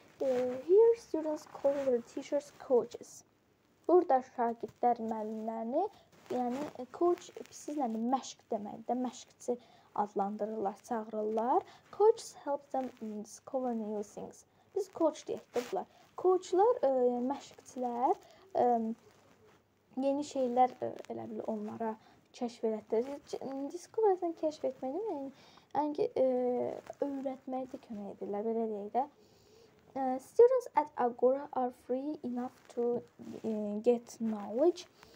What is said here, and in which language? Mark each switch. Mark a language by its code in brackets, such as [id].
[en] Here students call their teachers coaches. [az] Burada şagirdlər müəllimlərini, yəni coach siz nədir? Məşq deməkdir. Məşqçi adlandırırlar, çağırırlar. [en] Coaches help them discover new things. [az] Biz coach deyək də bunlar. Coachlar məşqçilər yeni şeylər elə bilir onlara kəşf etdirir. Discoverdən kəşf etməkdir, yəni ki, öyrətməkdə kömək edirlər, belə deyək də. [en] Students at Agora are free enough to get knowledge.